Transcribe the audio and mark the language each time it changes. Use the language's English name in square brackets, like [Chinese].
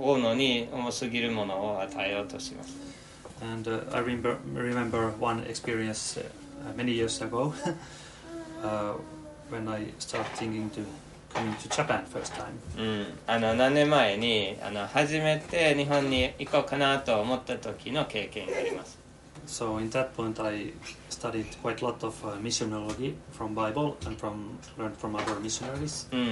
[Japanese] 重すぎるものを与えようとします。 [English] And I remember one experience many years ago when I started thinking to coming to Japan first time. [Japanese] あの、何年前に初めて日本に行こうかなと思った時の経験があります。 [English] So in that point I studied quite a lot of missionology from Bible and from learned from other missionaries.